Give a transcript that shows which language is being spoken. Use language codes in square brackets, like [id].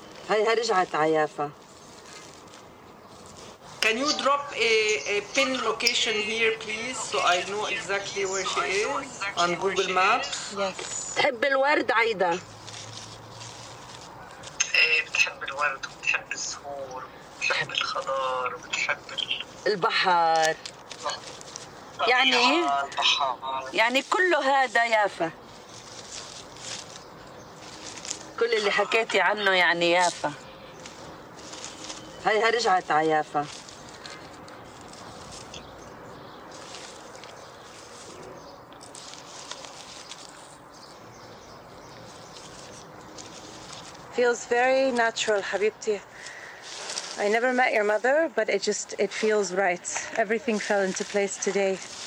[ar] هيها رجعت عيافة. [en] Can you drop a pin location here please so I know exactly where she is on Google Maps? [ar] Yes. تحب الورد عايدة؟ بتحب الورد وبتحب الزهور وبتحب الخضار وبتحب البحر. يعني يعني كله هذا يافا. كل اللي حكيتي عنه يعني يافا. هيها رجعت عيافة. [en] Feels very natural, حبيبتي. I never met your mother, but it just, it feels right. Everything fell into place today.